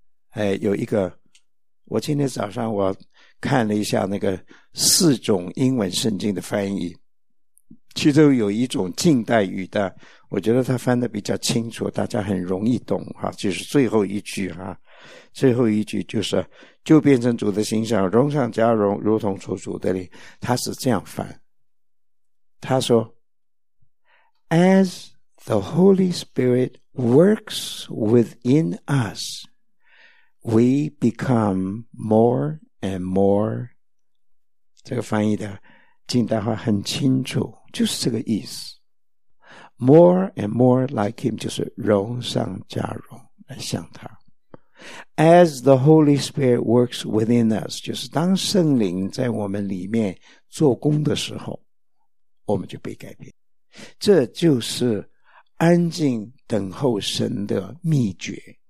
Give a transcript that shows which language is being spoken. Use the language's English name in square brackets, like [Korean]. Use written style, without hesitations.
[Chinese] 哎，有一个，我今天早上我看了一下那个四种英文圣经的翻译，其中有一种近代语的，我觉得它翻得比较清楚，大家很容易懂哈，就是最后一句哈，最后一句就是就变成主的形象，荣上加荣，如同出主的灵。他是这样翻，他说 [English] As the Holy Spirit works within us, we become more and more. [Chinese] 这个翻译的近代化很清楚，就是这个意思。 [English] More and more like Him， [Chinese] 就是荣上加荣，来像他。 [English] As the Holy Spirit works within us， [Chinese] 就是当圣灵在我们里面做工的时候，我们就被改变。这就是安静等候神的秘诀。